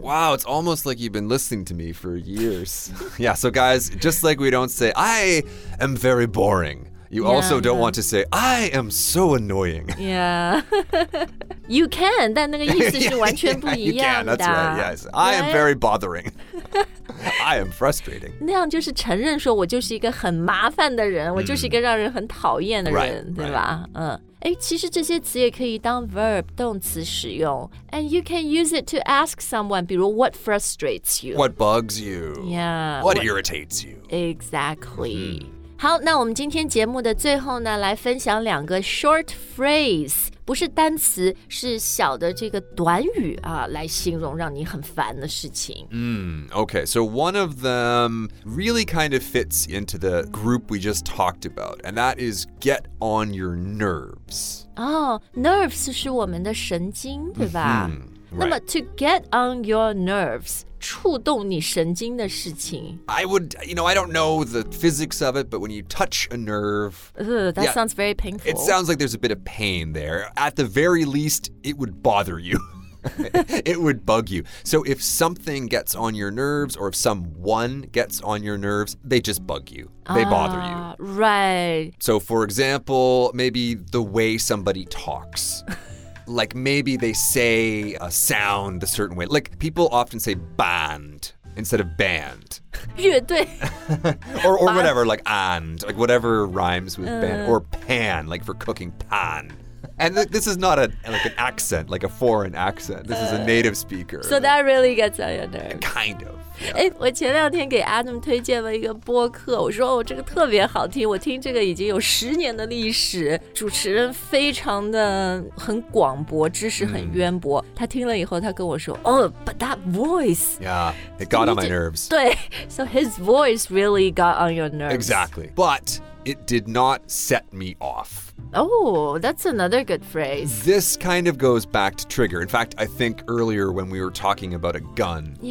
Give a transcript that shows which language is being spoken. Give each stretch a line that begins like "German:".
English: Wow, it's almost like you've been listening to me for years Yeah, so guys, just like we don't say I am very boring You also yeah, don't want to say I am so annoying Yeah You can,
Chinese: 但那个意思是完全不一样的
English: yeah, You can, that's right, yes I am very bothering I am frustrating.
Chinese: 那样就是承认说我就是一个很麻烦的人，我就是一个让人很讨厌的人，对吧？其实这些词也可以当
English: verb
Chinese: 动词使用
English: And you can use it to ask someone
Chinese: 比如
English: what frustrates you? What bugs you? Yeah. What irritates you? Exactly.
Chinese: 好，那我们今天节目的最后呢，来分享两个 short phrase。不是单词，是小的这个短语啊，来形容让你很烦的事情。
English: Okay, so one of them really kind of fits into the group we just talked about, and that is get on your nerves.
Chinese: Oh, nerves 是我们的神经，对吧？那么
English: to get on your nerves,
Chinese: 触动你神经的事情
English: I would, you know, I don't know the physics of it, but when you touch a nerve, that sounds very painful. It sounds like there's a bit of pain there. At the very least, it would bother you. It would bug you. So if something gets on your nerves or if someone gets on your nerves, they just bug you. They bother you. Right. So for example, maybe the way somebody talks. Like maybe they say a sound a certain way. Like people often say band instead of band.
Chinese: 乐队
English: or whatever, like and, like whatever rhymes with band. Or pan, like for cooking pan. And this is not like an accent, like a foreign accent. This is a native speaker. So that really gets on your nerves. Kind of. Yeah.
Chinese: 我前两天给 Adam 推荐了一个播客，我说这个特别好听，我听这个已经有十年的历史，主持人非常的很广博，知识很渊博。他听了以后，他跟我说 ，
English: Oh, but that voice. Yeah, it got on my nerves.
Chinese: 对
English: ，so his voice really got on your nerves. Exactly, but it did not set me off. Oh, that's another good phrase. This kind of goes back to trigger. In fact, I think earlier when we were talking about a gun,